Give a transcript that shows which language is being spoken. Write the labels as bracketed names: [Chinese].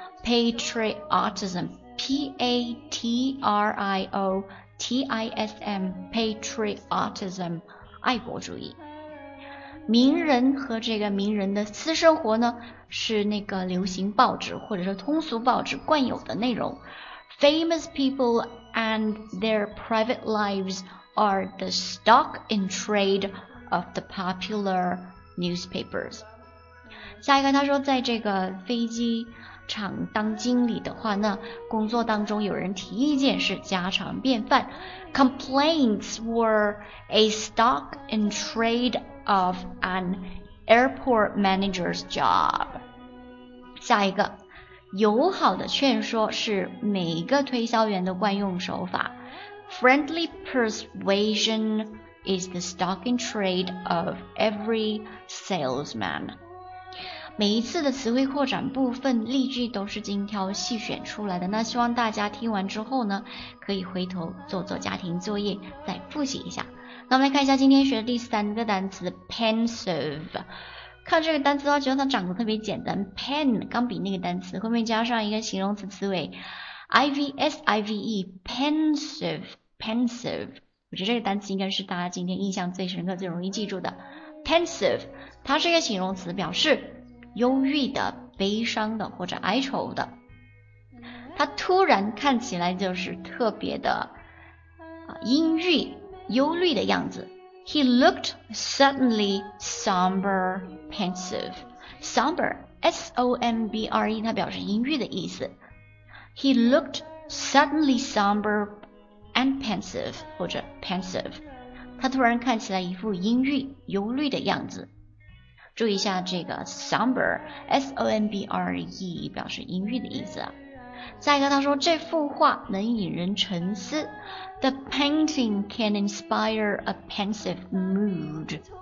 [English] Patriotism, P-A-T-R-I-O-T-I-S-M, Patriotism, 爱国主义。 [Chinese] 名人和这个名人的私生活呢，是那个流行报纸或者是通俗报纸惯有的内容。 [English] Famous people and their private lives are the stock and trade of the popular newspapers. [Chinese] 下一个他说，在这个飞机场当经理的话呢，工作当中有人提意见是家常便饭。 [English] Complaints were a stock and trade of an airport manager's job. [Chinese] 下一个，友好的劝说是每个推销员的惯用手法。 [English] Friendly persuasion is the stock and trade of every salesman. [Chinese] 每一次的词汇扩展部分例句都是精挑细选出来的，那希望大家听完之后呢，可以回头做做家庭作业，再复习一下。那我们来看一下今天学的第三个单词 pensive。看这个单词的话，觉得它长得特别简单。 Pen 钢笔那个单词，后面加上一个形容词词尾 ，ivsive， pensive， pensive。我觉得这个单词应该是大家今天印象最深刻、最容易记住的。 Pensive， 它是一个形容词，表示忧郁的、悲伤的或者哀愁的。它突然看起来就是特别的阴郁、忧虑的样子。 [English] He looked suddenly somber, pensive. [Chinese] Somber, S-O-M-B-R-E, 它表示阴郁的意思。 [English] He looked suddenly somber and pensive, 或者 pensive. [Chinese] 他突然看起来一副阴郁、忧虑的样子。注意一下这个 somber, S-O-M-B-R-E, 表示阴郁的意思。再一个他说，这幅画能引人沉思。 [English] The painting can inspire a pensive mood.